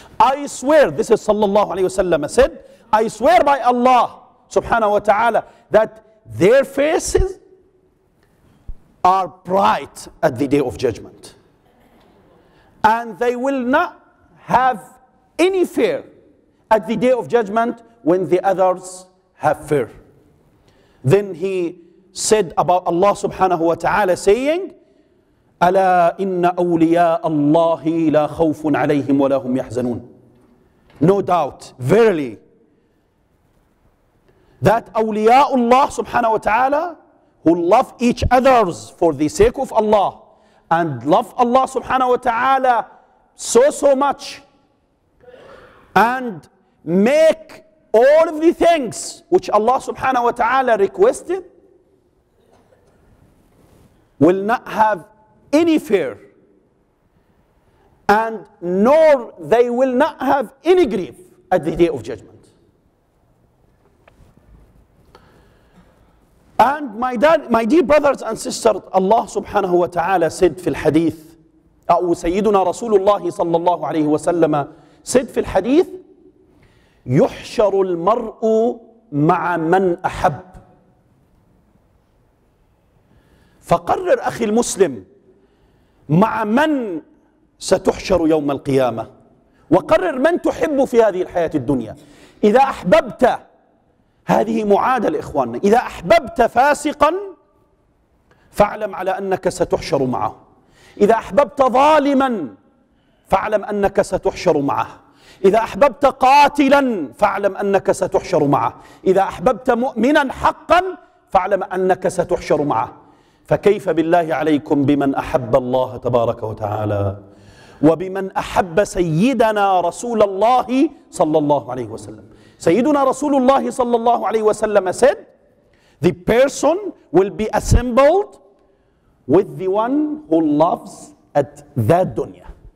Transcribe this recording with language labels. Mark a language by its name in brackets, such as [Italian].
[English] I swear, this is sallallahu alayhi wa sallam said, I swear by Allah subhanahu wa ta'ala that their faces are bright at the day of judgment, and they will not have any fear at the day of judgment when the others have fear. Then he said about Allah subhanahu wa ta'ala saying, [Arabic] أَلَا إِنَّ أَوْلِيَاءَ اللَّهِ لَا خَوْفٌ عَلَيْهِمْ وَلَا هُمْ يَحْزَنُونَ. [English] No doubt, verily, that awliya Allah subhanahu wa ta'ala, who love each others for the sake of Allah and love Allah subhanahu wa ta'ala so much and make all of the things which Allah subhanahu wa ta'ala requested, will not have any fear, and nor they will not have any grief at the day of judgment. And my dear brothers and sisters, Allah subhanahu wa ta'ala said fil hadith, [Arabic] أو سيدنا رسول الله صلى الله عليه وسلم [English] said fil hadith, [Arabic] يحشر المرء مع من أحب. فقرر أخي المسلم مع من ستحشر يوم القيامة، وقرر من تحب في هذه الحياة الدنيا. إذا أحببت، هذه معادلة إخواننا، إذا أحببت فاسقا فاعلم على أنك ستحشر معه، إذا أحببت ظالما فاعلم أنك ستحشر معه، إذا أحببت قاتلا فاعلم أنك ستحشر معه، إذا أحببت مؤمنا حقا فاعلم أنك ستحشر معه. فكيف بالله عليكم بمن أحب الله تبارك وتعالى وبمن أحب سيدنا رسول الله صلى الله عليه وسلم. سيدنا رسول الله صلى الله عليه وسلم [English] said, the person will be assembled with the one who loves at that dunya.